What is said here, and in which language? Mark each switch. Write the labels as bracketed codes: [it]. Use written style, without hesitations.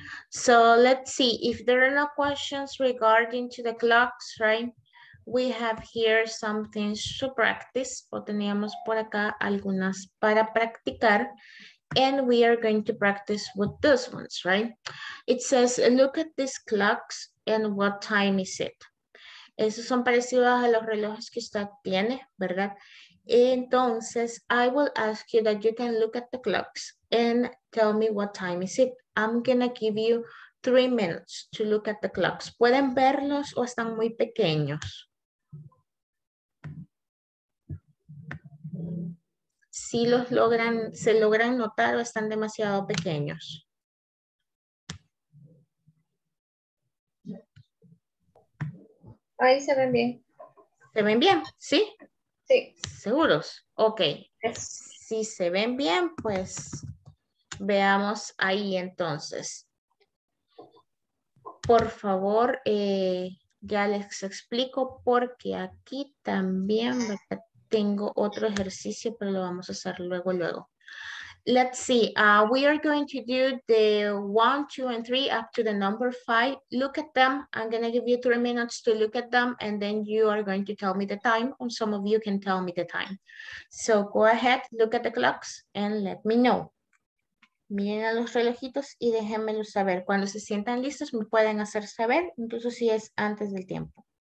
[en] So let's see if there are no questions regarding to the clocks, right? We have here some things to practice. [es] O teníamos por acá algunas para practicar. [en] And we are going to practice with those ones, right? It says, look at these clocks and what time is it? [es] Esos son parecidos a los relojes que usted tiene, ¿verdad? Entonces, [en] I will ask you that you can look at the clocks and tell me what time is it. I'm gonna give you 3 minutes to look at the clocks. [es] ¿Pueden verlos o están muy pequeños? Si los logran, se logran notar o están demasiado pequeños. Ahí se ven bien. ¿Se ven bien? ¿Sí? Sí. ¿Seguros? [en] Ok. Yes. [es] Si se ven bien, pues veamos ahí entonces. Por favor, ya les explico porque aquí también tengo otro ejercicio, pero lo vamos a hacer luego, luego. [en] Let's see. We are going to do the 1, 2, and 3 up to the number 5. Look at them. I'm going to give you 3 minutes to look at them, and then you are going to tell me the time, or some of you can tell me the time. So go ahead, look at the clocks, and let me know. [es] Miren a los relojitos y déjenmelo saber. Cuando se sientan listos, me pueden hacer saber, incluso si es antes del tiempo.